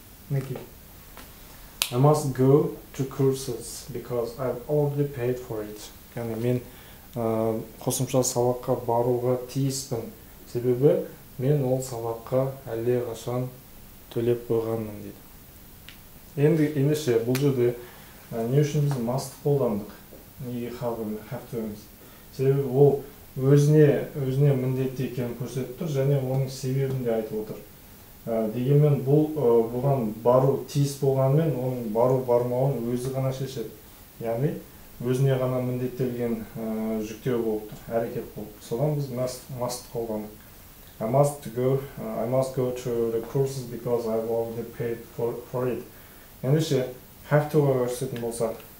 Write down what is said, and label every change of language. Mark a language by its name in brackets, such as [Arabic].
[English] Thank you. I must go to courses because I've already paid for it. [Kazakh] Яғни мен қосымша сабаққа баруға тиіспін. Себебі мен ол сабаққа әлдеқашан төлеп қойғанмын дейді. Ендіше бұл жерде не үшін біз must қолдандық? Неге have to-міз? Себебі ол өзіне міндетті екенін көрсетіп тұр және оның себебін де айтып отыр. Дегенмен бұл бұған бару тиіс болғанымен оның бару-бармауын өзі ғана шешеді. Яғни өзіне ғана міндеттелген жүктеу болып тұр, әрекет болып. Содан біз must қолданық. [English] I must go to the courses because I've already paid for it. [Kazakh] Ендіше have to-ға өрсетін болсақ.